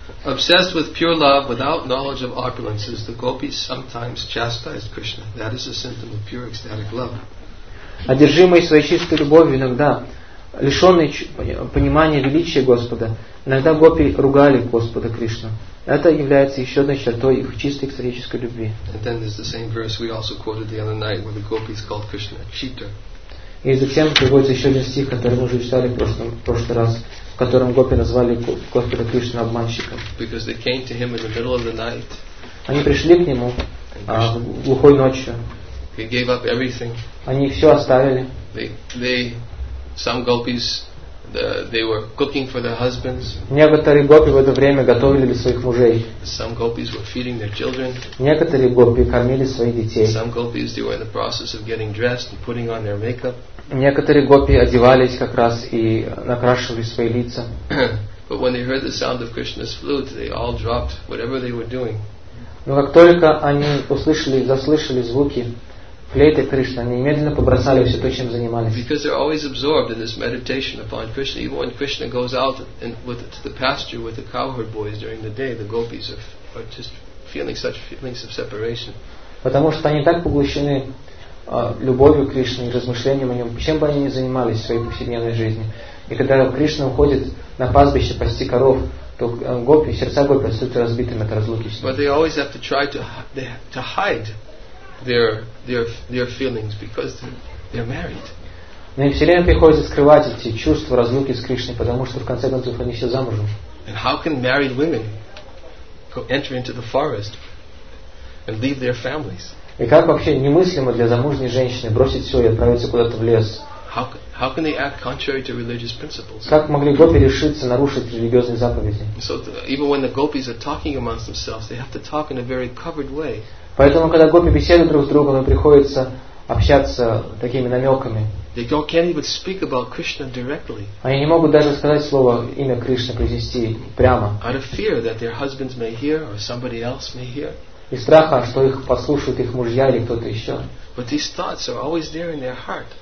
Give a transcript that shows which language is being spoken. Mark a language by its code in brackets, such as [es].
[en] Obsessed with pure love, without knowledge of opulences, the gopis sometimes chastised Krishna. That is a symptom of pure ecstatic love. [ru] Одержимые своей чистой любовью, иногда лишенные понимания величия Господа, иногда гопи ругали Господа Кришну. Это является еще одной чертой их чистой экстатической любви. [en] And then there's the same verse we also quoted the other night, where the gopis called Krishna a cheater. [ru] И затем приводится еще один стих, который мы уже читали в прошлый раз, в котором гопи назвали Господа Кришну обманщиком. [en] Because they came to him in the middle of the night. [ru] Они пришли к нему в глухой ночью. [en] He gave up everything. [ru] Они все оставили. [en] Some gopis, they were cooking for their husbands. [ru] Некоторые гопи в это время готовили для своих мужей. [en] Some gopis were feeding their children. [ru] Некоторые гопи кормили своих детей. [en] Some gopis, they were in the process of getting dressed and putting on their makeup. [ru] Некоторые гопи одевались как раз и накрашивали свои лица. [en] But when they heard the sound of Krishna's flute, they all dropped whatever they were doing. [ru] Но как только они услышали, заслышали звуки Лейта Кришна, они немедленно побросали все то, чем занимались. [en] Because they're always absorbed in this meditation upon Krishna. Even when Krishna goes out and with to the pasture with the cowherd boys during the day, the gopis are just feeling such feelings of separation. [ru] Потому что они так поглощены любовью к Кришне и размышлением о нем, чем бы они ни занимались в своей повседневной жизни. И когда Кришна уходит на пастбище пасти коров, то гопи, сердца гопи остаются разбитыми от разлуки с ним. [en] But they always have to try to hide their feelings because they're married. [ru] Но им все время приходится скрывать эти чувства разлуки с Кришной, потому что в конце концов они все замужем. [en] And how can married women enter into the forest and leave their families? [ru] И как вообще немыслимо для замужней женщины бросить все и отправиться куда-то в лес? [en] How can they act contrary to religious principles? [ru] Как могли гопи решиться нарушить религиозные заповеди? [en] So even when the gopis are talking amongst themselves, they have to talk in a very covered way. [ru] Поэтому, когда гопи беседуют друг с другом, им приходится общаться такими намеками. [en] They can't even speak about Krishna directly. [ru] Они не могут даже сказать слово имя Кришны произнести прямо. [en] Out of fear that their husbands may hear or somebody else may hear. [ru] Из страха, что их послушают их мужья или кто-то еще. [en] But these thoughts are always there in their heart.